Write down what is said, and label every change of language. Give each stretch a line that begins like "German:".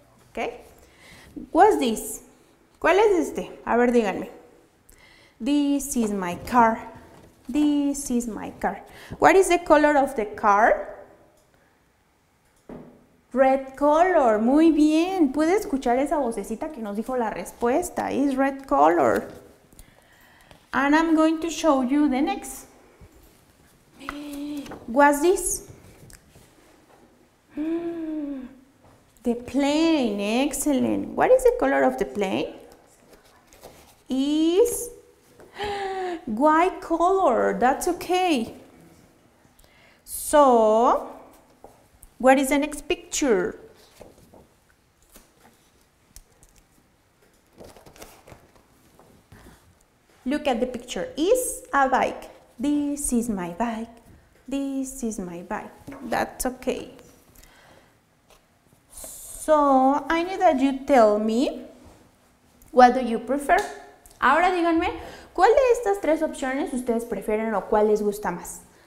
Spanish: ¿Ok?
English: What's this?
Spanish: ¿Cuál es este? A ver, díganme.
English: This is my car. This is my car. What is the color of the car? Red color.
Spanish: Muy bien. ¿Puede escuchar esa vocecita que nos dijo la respuesta?
English: It's red color. And I'm going to show you the next. What's this? The plane. Excellent. What is the color of the plane? Is white color. That's okay. So, what is the next picture? Look at the picture. Is a bike. This is my bike. This is my bike. That's okay. So, I need that you tell me, what do you prefer?
Spanish: Ahora díganme, ¿cuál de estas tres opciones ustedes prefieren o cuál les gusta más?